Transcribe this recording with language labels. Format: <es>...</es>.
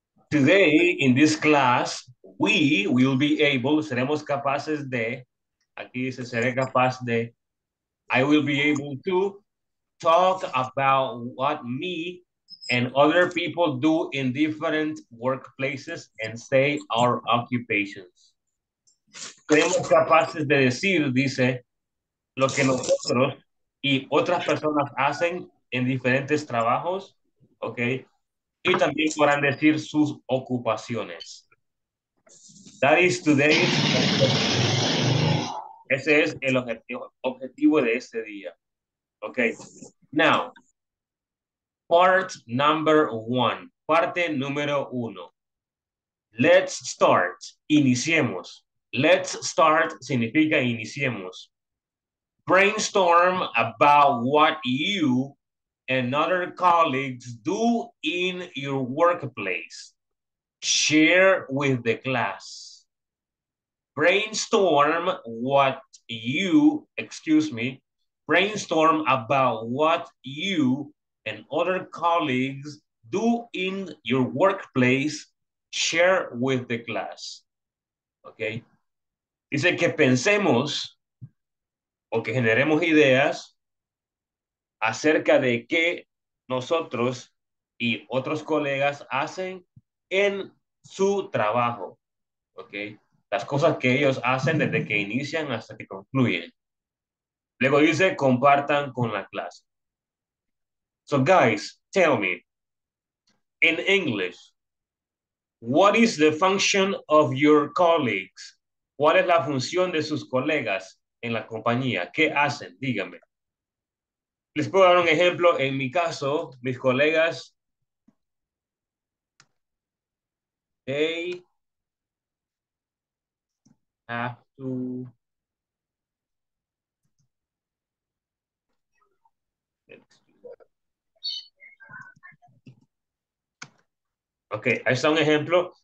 <en>Today, in this class, we will be able,</en> <es>seremos capaces de, aquí dice, seré capaz de,</es> <en>I will be able to talk about what me and other people do in different workplaces and say our occupations.</en> <es>Seremos capaces de decir, dice, lo que nosotros y otras personas hacen en diferentes trabajos, okay? Y también podrán decir sus ocupaciones.</es> <en>That is today's objective.</en> <es>Ese es el objetivo de este día. Okay.</es> <en>Now, part number one.</en> <es>Parte número uno.</es> <en>Let's start.</en> <es>Iniciemos. Let's start significa iniciemos.</es> <en>Brainstorm about what you and other colleagues do in your workplace. Share with the class. Brainstorm what you, excuse me, brainstorm about what you and other colleagues do in your workplace. Share with the class. Okay?</en> <es>Dice que pensemos o que generemos ideas acerca de qué nosotros y otros colegas hacen en su trabajo, ¿ok? Las cosas que ellos hacen desde que inician hasta que concluyen. Luego dice, compartan con la clase.</es> <en>So guys, tell me, in English, what is the function of your colleagues?</en> <es>¿Cuál es la función de sus colegas en la compañía? ¿Qué hacen? Díganme. Les puedo dar un ejemplo. En mi caso, mis colegas,</es> <en>they have to</en> <es>okay, ahí está un ejemplo.</es>